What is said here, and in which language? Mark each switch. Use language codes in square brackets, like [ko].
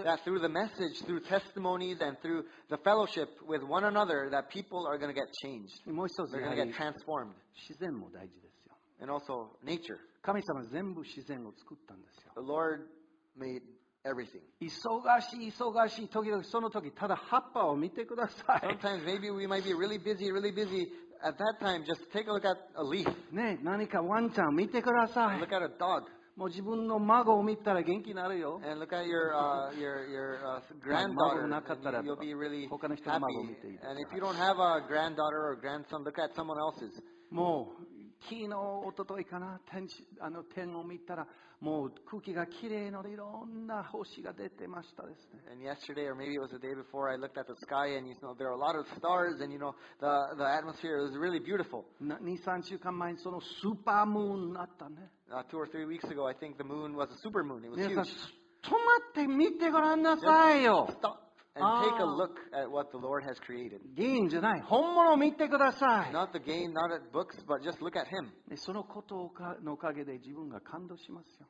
[en] That through the message, through testimonies, and through the fellowship with one another, that people are going to get changed. [ja] もう一つ、 [en] they're going to get transformed. [ja] 自然も大事ですよ。 [en] And also nature. [ja] 神様全部自然を作ったんですよ。 [en] The Lord made everything. [ja] 忙しい忙しい時々その時ただ葉っぱを見てください。 [en] Sometimes maybe we might be really busy, really busy. At that time, just take a look at a leaf. [ja] ね、何かワンちゃん見てください。 [en] Look at a dog. [ja] もう自分の孫を見たら元気になるよ。 [en] And look at your granddaughter. You'll be really happy. And if you don't have a granddaughter or grandson, look at someone else's. [ja] もう昨日、おとといかな、天を見たら、もう空気がきれいので、いろんな星が出てましたですね。 [en] And yesterday, or maybe it was the day before, I looked at the sky, and you know, there are a lot of stars, and you know, the atmosphere is really beautiful. [ja] 2、3週間前、そのスーパームーンだったね。 [en] Two or three weeks ago, I think the moon was a super moon. It was huge. [ja] 皆さん、止まって見てごらんなさいよ。 [en] And take a look at what the Lord has created. [ja] ゲームじゃない。本物を見てください。 [en] Not the game, not at books, but just look at Him. [ja] そのことのおかげで自分が感動しますよ。